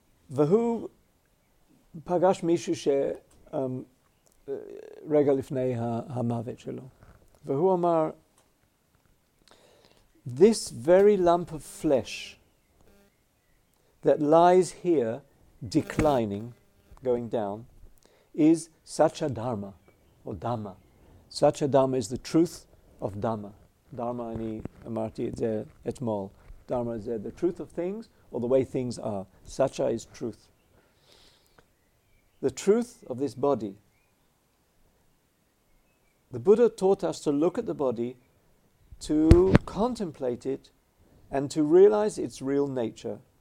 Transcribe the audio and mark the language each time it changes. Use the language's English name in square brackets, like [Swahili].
[Hebrew] והוא פגש מישהו שרגע לפני המוות שלו. והוא אמר, [English] "This very lump of flesh that lies here declining, going down, is Satchadharma, or Dhamma. Satchadharma is the truth of Dharma. [Hebrew] Dharma, אני אמרתי את זה אתמול. [English] Dharma is the truth of things or the way things are. Satcha is truth. The truth of this body. The Buddha taught us to look at the body, to contemplate it, and to realize its real nature.